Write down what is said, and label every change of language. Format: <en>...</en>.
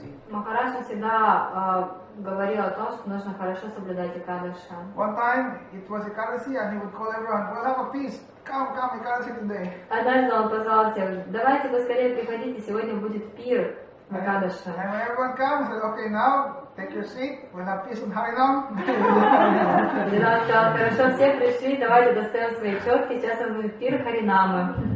<ru>Махарадж всегда говорил о том, что нужно хорошо соблюдать кадышу.</ru> <en>One time it was Ekadasi and he would call everyone, "We'll have a feast. Come, Ekadasi today."</en> <ru>Однажды он позвал всех, давайте поскорее приходите, сегодня будет пир на кадышу.</ru> <en>And when everyone comes, said, "Okay, now." Take your seat. We'll have peace in Haridam.</en> <ru>Хорошо, все пришли. Давайте достаем свои четки. Сейчас мы будем пир Харинамы.</ru>